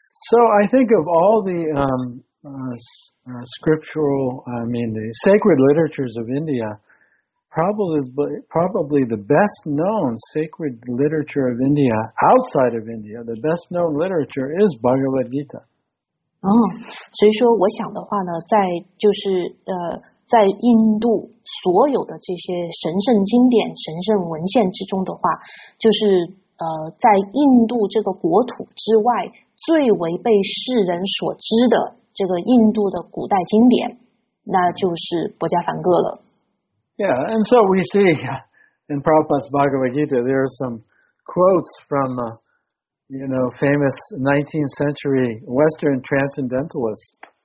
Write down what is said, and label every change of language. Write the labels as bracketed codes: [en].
[en] So I think of all the scriptural, I mean the sacred literatures of India, probably the best known sacred literature of India outside of India, the best known literature is Bhagavad Gita. [zh] 所以说我想的话呢，在就是在印度所有的这些神圣经典、神圣文献之中的话，就是在印度这个国土之外最为被世人所知的这个印度的古代经典，那就是博迦梵歌了。 [en] Yeah, and so we see in Prabhupada's Bhagavad Gita there are some quotes from famous 19th century Western transcendentalists.